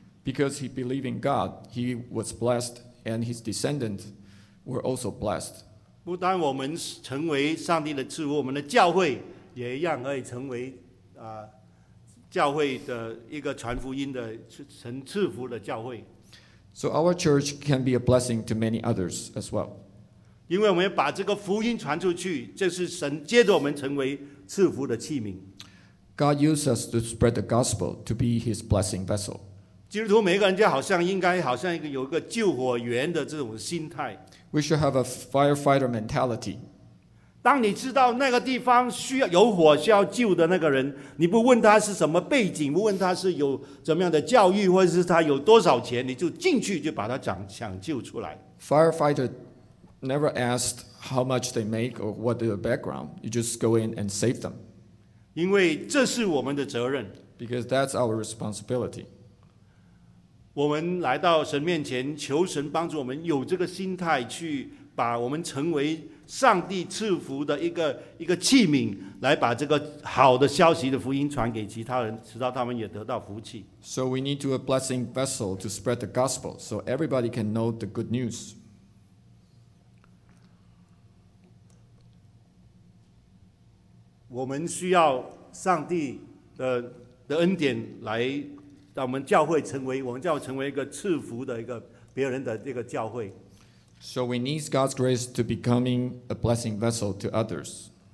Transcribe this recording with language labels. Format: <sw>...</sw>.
<en>Because he believed in God, he was blessed, and his descendants were also blessed.</en> <zh>不但我们成为上帝的赐福，我们的教会也一样可以成为教会的一个传福音的神赐福的教会。</zh> <en>So our church can be a blessing to many others as well.</en> <zh>因为我们把这个福音传出去，这是神接着我们成为赐福的器皿。</zh> <en>God uses us to spread the gospel to be His blessing vessel.</en> <zh>基督徒每个人就好像应该好像有一个救火员的这种心态。</zh> <en>We should have a firefighter mentality.</en> <zh>当你知道那个地方需要有火需要救的那个人，你不问他是什么背景，不问他是有怎么样的教育，或者是他有多少钱，你就进去就把他抢救出来。</zh> <en>Firefighter never asked how much they make or what their background. You just go in and save them.</en> <zh>因为这是我们的责任。</zh> <en>Because that's our responsibility.</en> <zh>我们来到神面前，求神帮助我们有这个心态，去把我们成为上帝赐福的一个器皿，来把这个好的消息的福音传给其他人，直到他们也得到福气。</zh> <en>So we need to a blessing vessel to spread the gospel, so everybody can know the good news.</en> <zh>我们需要上帝的恩典来让我们教会成为，我们教会成为一个赐福的一个别人的这个教会。</zh> <en>So we need God's grace to becoming a blessing vessel to others.</en>